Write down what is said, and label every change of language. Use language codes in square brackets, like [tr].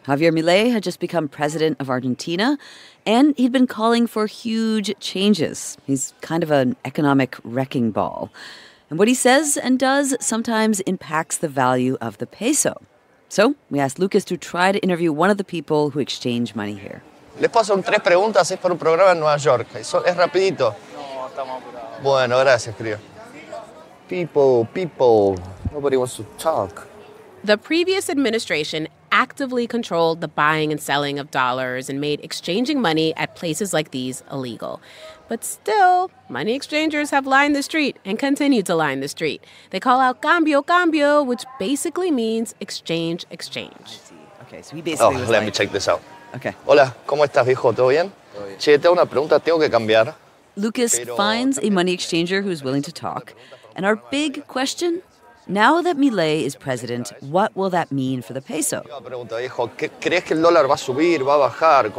[en] Javier Milei had just become president of Argentina, and he'd been calling for huge changes. He's kind of an economic wrecking ball. And what he says and does sometimes impacts the value of the peso. So we asked Lucas to try to interview one of the people who exchange money here. [es] Les puedo hacer tres preguntas, es por un programa en Nueva York. Eso es rapidito. Bueno, gracias, querido. [en] People, nobody wants to talk. The previous administration actively controlled the buying and selling of dollars and made exchanging money at places like these illegal. But still, money exchangers have lined the street and continue to line the street. They call out [es] cambio, cambio, [en] which basically means exchange, exchange. I see. Okay, so he basically Let me check this out. Okay. [es] Hola, ¿cómo estás, viejo? ¿Todo bien? Che, tengo una pregunta, tengo que cambiar. [en] Lucas finds a money exchanger who's willing to talk. And our big question? Now that Milei is president, what will that mean for the peso? [es] ¿Crees que el dólar va a subir, va a bajar?